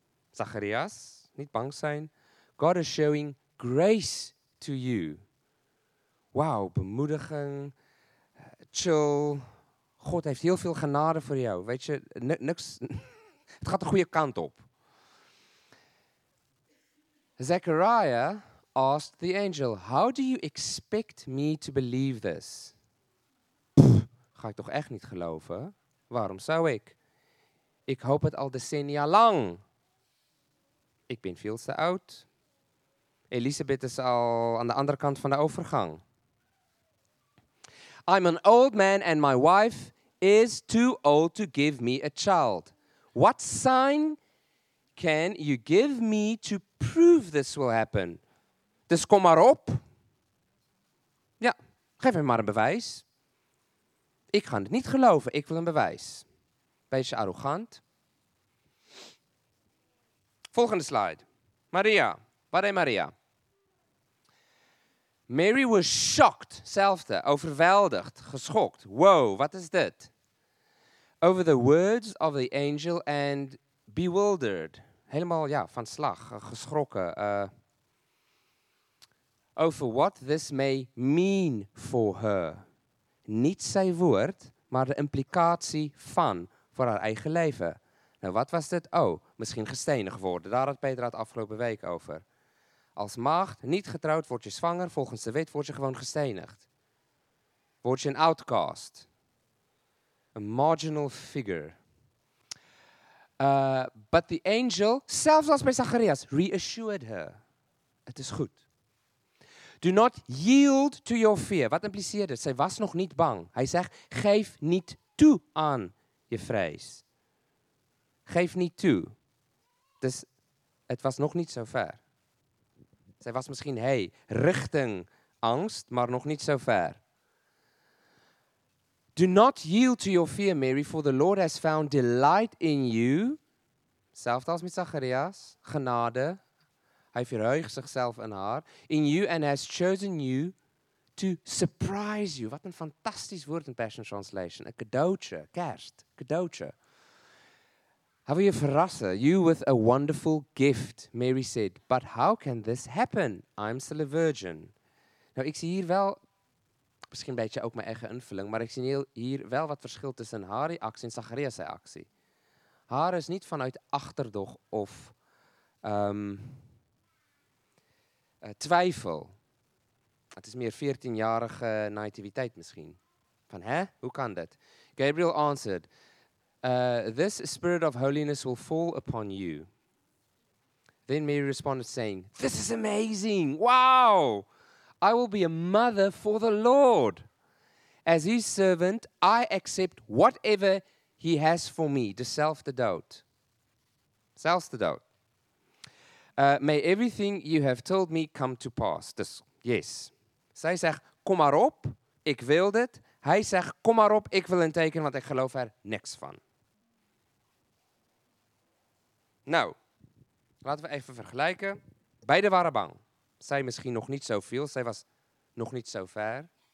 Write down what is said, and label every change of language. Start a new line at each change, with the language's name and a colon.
English: Zacharias,
Dutch: niet bang zijn.
English: God is showing grace to you.
Dutch: Wauw, bemoediging. Chill. God heeft heel veel genade voor jou. Weet je, niks. Het gaat de goede kant op.
English: Zechariah asked the angel, how do you expect me to believe this?
Dutch: Ga ik toch echt niet geloven? Waarom zou ik? Ik hoop het al decennia lang. Ik ben veel te oud. Elisabeth is al aan de andere kant van de overgang.
English: I'm an old man and my wife is too old to give me a child. What sign can you give me to prove this will happen?
Dutch: Dus kom maar op. Ja, geef hem maar een bewijs. Ik ga het niet geloven, ik wil een bewijs. Beetje arrogant. Volgende slide. Maria, waar is Maria?
English: Mary was shocked,
Dutch: zelfde, overweldigd, geschokt. Wow, wat is dit?
English: Over the words of the angel and bewildered.
Dutch: Helemaal, ja, van slag, geschrokken.
English: Over what this may mean for her.
Dutch: Niet zijn woord, maar de implicatie van voor haar eigen leven. Nou, wat was dit? Oh, misschien gestenigd worden. Daar had Petra het afgelopen week over. Als maagd, niet getrouwd, word je zwanger. Volgens de wet word je gewoon gestenigd. Word je een outcast. Een
English: marginal figure. But the angel,
Dutch: zelfs als bij Zacharias,
English: reassured her.
Dutch: Het is goed.
English: Do not yield to your fear.
Dutch: Wat impliceert het? Zij was nog niet bang. Hij zegt, geef niet toe aan je vrees. Geef niet toe. Dus het was nog niet zo ver. Zij was misschien, hey, richting angst, maar nog niet zo ver.
English: Do not yield to your fear, Mary, for the Lord has found delight in you.
Dutch: Zelfde als met Zacharias, genade. Hij verheugt zichzelf in haar.
English: In you and has chosen you to surprise you.
Dutch: Wat een fantastisch woord in Passion Translation. Een cadeautje, kerst, cadeautje. Hij wil je verrassen.
English: You with a wonderful gift, Mary said. But how can this happen? I'm still a virgin.
Dutch: Nou, ik zie hier wel, misschien een beetje ook mijn eigen invulling, maar ik zie hier wel wat verschil tussen haar reactie en Zacharias' reactie. Haar is niet vanuit achterdocht of twijfel. Het is meer 14-jarige naïviteit misschien. Van, hè? Hoe kan dat?
English: Gabriel answered, this spirit of holiness will fall upon you. Then Mary responded saying, this is amazing! Wow! I will be a mother for the Lord. As his servant, I accept whatever he has for me.
Dutch: Dezelfde dood. Zelfde dood.
English: May everything you have told me come to pass.
Dutch: Dus, yes. Zij zegt, kom maar op, ik wil dit. Hij zegt, kom maar op, ik wil een teken, want ik geloof er niks van. Nou, laten we even vergelijken. Beiden waren bang. Zij misschien nog niet zoveel, zij was nog niet zo ver.